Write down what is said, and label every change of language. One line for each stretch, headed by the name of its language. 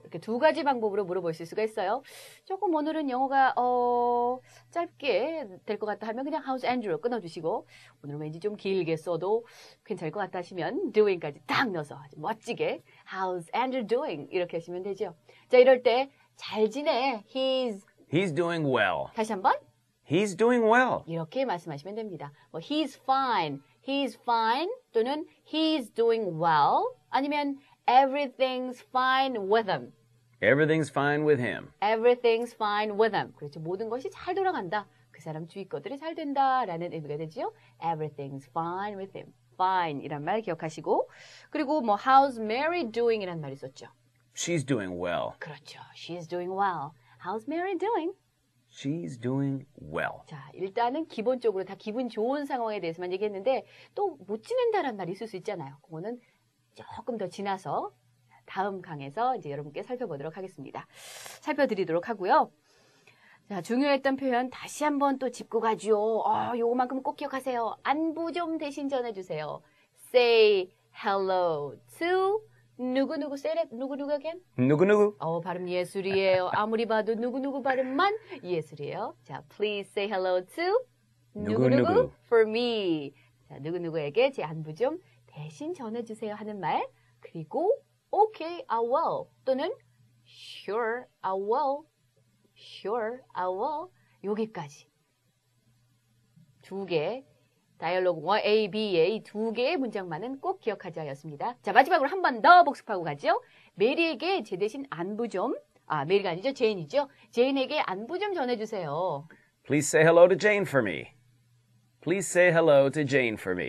Korean: 이렇게 두 가지 방법으로 물어보실 수가 있어요. 조금 오늘은 영어가 짧게 될 것 같다 하면 그냥 How's Andrew 끊어주시고 오늘 왠지 좀 길게 써도 괜찮을 것 같다 하시면 doing까지 딱 넣어서 아주 멋지게
English: How's Andrew doing?
Korean: 이렇게 하시면 되죠. 자, 이럴 때 잘 지내. He's
English: doing well.
Korean: 다시 한번.
English: He's doing well.
Korean: 이렇게 말씀하시면 됩니다.
English: 뭐, he's fine. He's fine. 또는 he's doing well. 아니면 everything's fine with him. Everything's fine with him. Everything's fine with him.
Korean: 그렇죠. 모든 것이 잘 돌아간다. 그 사람 주위 것들이 잘 된다. 라는 의미가 되죠.
English: Everything's fine with him.
Korean: Fine. 이란 말 기억하시고. 그리고 뭐,
English: how's Mary doing?
Korean: 이란 말 있었죠.
English: She's doing well.
Korean: 그렇죠.
English: She's doing well. How's Mary doing? She's doing well.
Korean: 자, 일단은 기본적으로 다 기분 좋은 상황에 대해서만 얘기했는데 또 못 지낸다라는 말이 있을 수 있잖아요. 그거는 조금 더 지나서 다음 강에서 이제 여러분께 살펴보도록 하겠습니다. 살펴드리도록 하고요. 자, 중요했던 표현 다시 한번 또 짚고 가죠. 요거만큼 꼭 기억하세요. 안부 좀 대신 전해주세요.
English: Say hello to 누구누구 세렙 누구누구 again?
Korean: 누구누구 발음 예술이에요. 아무리 봐도 누구누구 발음만 예술이에요.
English: 자, please say hello to
Korean: 누구누구,
English: 누구누구 for me.
Korean: 자, 누구누구에게 제 안부 좀 대신 전해주세요 하는 말.
English: 그리고 okay, I will. 또는 sure, I will. Sure, I will.
Korean: 여기까지. 두 개. 다이얼로그 1, A, B, A 두 개의 문장만은 꼭 기억하자 였습니다. 자, 마지막으로 한 번 더 복습하고 가죠. 메리에게 제 대신 안부 좀, 메리가 아니죠. 제인이죠. 제인에게 안부 좀 전해주세요.
English: Please say hello to Jane for me. Please say hello to Jane for me.